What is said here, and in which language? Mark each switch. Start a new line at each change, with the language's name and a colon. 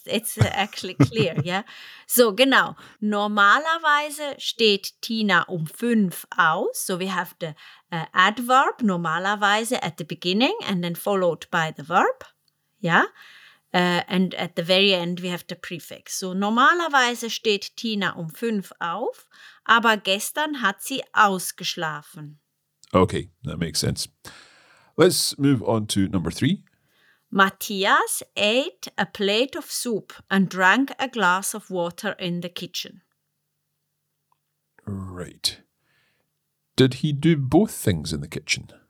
English: it's actually clear, yeah.
German: So, genau. Normalerweise steht Tina 5 aus.
English: So we have the adverb, normalerweise, at the beginning and then followed by the verb, yeah. And at the very end we have the prefix.
German: So normalerweise steht Tina 5 auf, aber gestern hat sie ausgeschlafen.
English: Okay, that makes sense. Let's move on to number 3. Matthias ate a plate of soup and drank a glass of water in the kitchen. Right. Did he do both things in the kitchen?